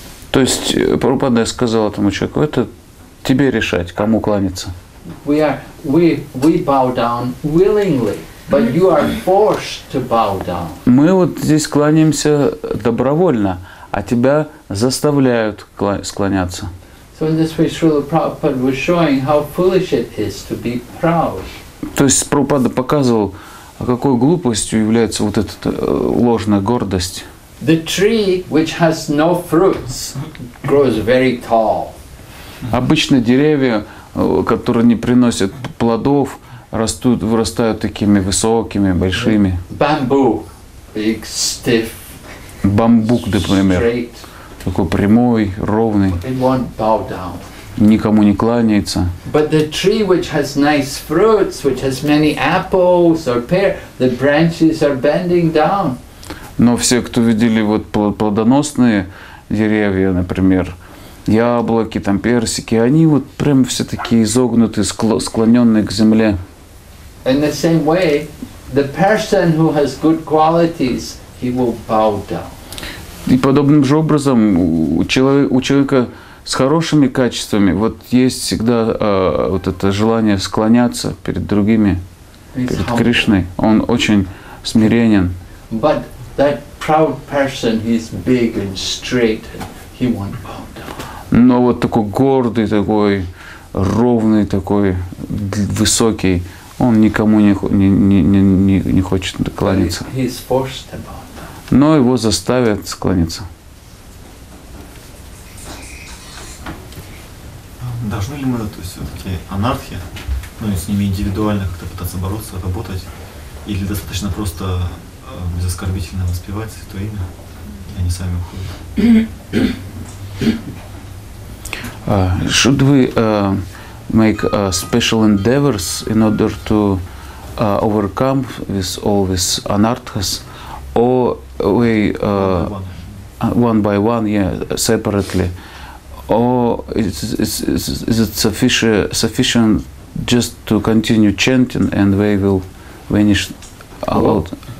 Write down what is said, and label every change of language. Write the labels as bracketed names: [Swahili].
[Russian] То есть Прабхупада сказал этому человеку, это тебе решать, кому кланяться. [English] We bow down willingly, but you are forced to bow down. [Russian] Мы вот здесь кланяемся добровольно, а тебя заставляют склоняться. [English] So in this way, Srila Prabhupada was showing how foolish it is to be proud. [Russian] То есть Прабхупада показывал, а какой глупостью является вот эта ложная гордость? [English] The tree which has no fruits grows very tall. [Russian] Обычно деревья, которые не приносят плодов, растут, вырастают такими высокими, большими. [English] Bamboo, big, stiff. [Russian] Бамбук, например. [English] Straight. [Russian] Такой прямой, ровный. [English] It won't bow down. [Russian] Никому не кланяется. [English] But the tree which has nice fruits, which has many apples or pear, the branches are bending down. [Russian] Но все, кто видели вот плодоносные деревья, например, яблоки, там персики, они вот прям все такие изогнуты, склоненные к земле. [English] In the same way, the person who has good qualities, he will bow down. [Russian] И подобным же образом у человека с хорошими качествами, вот есть всегда вот это желание склоняться перед другими, [English] He's [Russian] перед [English] humble. [Russian] Кришной. Он очень смиренен. [English] But that proud person, he's big and straight, he won't bow down. [Russian] Но вот такой гордый, такой ровный, такой высокий, он никому не хочет кланяться. [English] He's forced to bow down. [Russian] Но его заставят склониться. Должны ли мы, то есть, все-таки анархи, ну, с ними индивидуально как-то пытаться бороться, работать, или достаточно просто безоскорбительно воспевать Святое Имя, и они сами уходят? [English] Should we make special endeavors in order to overcome with all these anarchas, or we one by one, yeah, separately? Or is it sufficient just to continue chanting and we will vanish out?